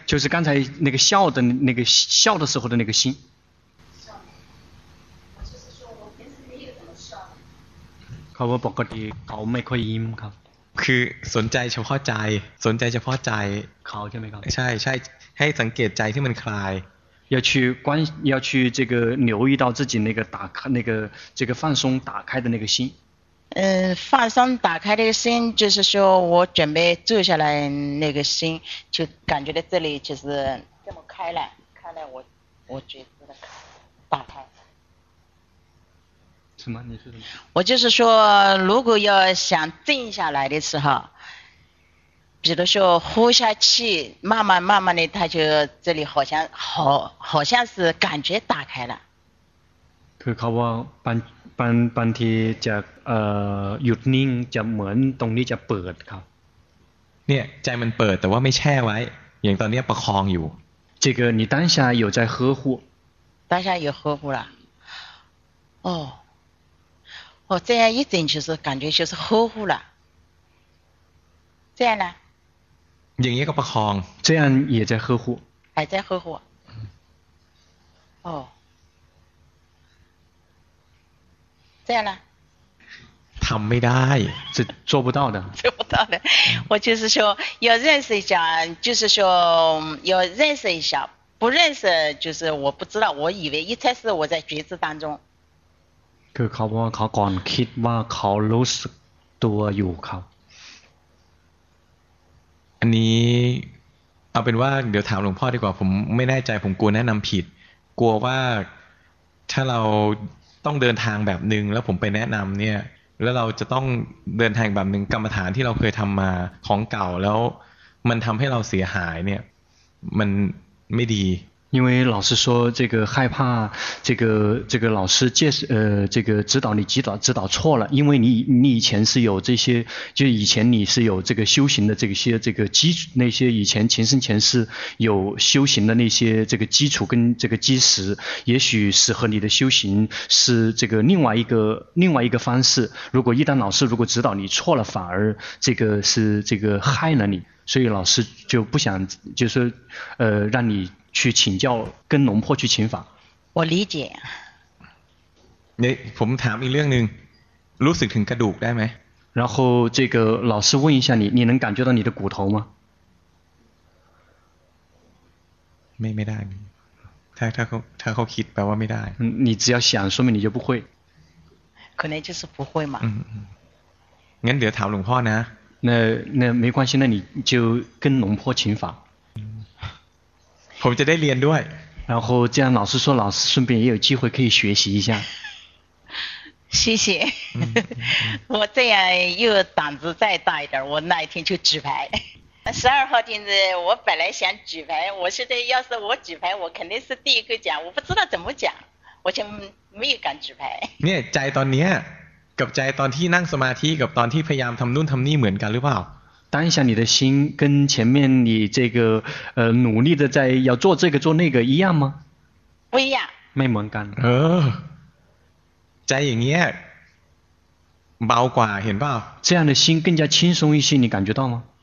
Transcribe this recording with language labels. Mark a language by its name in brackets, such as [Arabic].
[Chinese] 就是刚才那个笑的那个笑的时候的那个心 [Thai] เขาบอกปกติเขาไม่ค่อยยิ้มครับ คือสนใจเฉพาะใจสนใจเฉพาะใจ เขาใช่ไหมครับ ใช่ใช่ให้สังเกตใจที่มันคลาย [Chinese] 要去关要去这个留意到自己那个打开那个这个放松打开的那个心放松打开的心就是说我准备坐下来那个心就感觉到这里就是这么开了开了我觉知的打开我就是说如果要想静下来的时候比如说呼下气慢慢的它就这里好像是感觉打开了 [Thai] คือเขาว่าบางทีจะหยุดนิ่งจะเหมือนตรงนี้จะเปิดครับ เนี่ยใจมันเปิดแต่ว่าไม่แช่ไว้ อย่างตอนนี้ประคองอยู่ [Chinese] 这个你当下有在呵护当下有呵护了哦哦这样一整就是感觉就是呵护了这样呢 [Thai] อย่างนี้ก็ประคอง [Chinese] 这样也在呵护还在呵护哦这样呢 [Thai] ทำไม่ได้ [Chinese] 这做不到的做不到的我就是说要认识一下就是说要认识一下不认识就是我不知道我以为一开始我在觉知当中 [Thai] คือเขาบอกว่าเขาก่อนคิดว่าเขารู้สึกตัวอยู่ครับ อันนี้เอาเป็นว่าเดี๋ยวถามหลวงพ่อดีกว่าผมไม่แน่ใจผมกลัวแนะนำผิดกลัวว่าถ้าเราต้องเดินทางแบบนึงแล้วผมไปแนะนำเนี่ยแล้วเราจะต้องเดินทางแบบนึงกรรมฐานที่เราเคยทำมาของเก่าแล้วมันทำให้เราเสียหายเนี่ยมันไม่ดี [Chinese] 因为老师说这个害怕这个老师介这个指导你指导错了因为你以前是有这些就以前你是有这个修行的这个基础那些以前前生前世有修行的那些这个基础跟这个基石也许适合你的修行是这个另外一个方式如果一旦老师如果指导你错了反而这个是这个害了你所以老师就不想就是让你去请教跟龙婆去请法我理解 [Thai] 你ผมถามอีกเรื่องนึงรู้สึกถึงกระดูกได้ไหม [Chinese] 然后这个老师问一下你能感觉到你的骨头吗 [Thai] ไม่ได้ถ้าเขาคิดแปลว่าไม่ได้ [Chinese] 你只要想说明你就不会可能就是不会嘛 [Thai] งั้นเดี๋ยวถามหลวงพ่อนะ [Chinese] 那没关系那你就跟龙婆请法 [Thai] ผมจะได้เรียนด้วย [Chinese] 然后这样老师说老师顺便也有机会可以学习一下谢谢我这样又胆子再大一点我那一天就举牌12号镜子我本来想举牌我现在要是我举牌我肯定是第一个讲我不知道怎么讲我就没有敢举牌 [Thai] เนี่ยใจตอนนี้กับใจตอนที่นั่งสมาธิกับตอนที่พยายามทำนู่นทำนี่เหมือนกันหรือเปล่า [Chinese] 当下你的心跟前面你这个努力的在要做这个做那个一样吗？不一样。没门干。在营业，包括很包。这样的心更加轻松一些，你感觉到吗？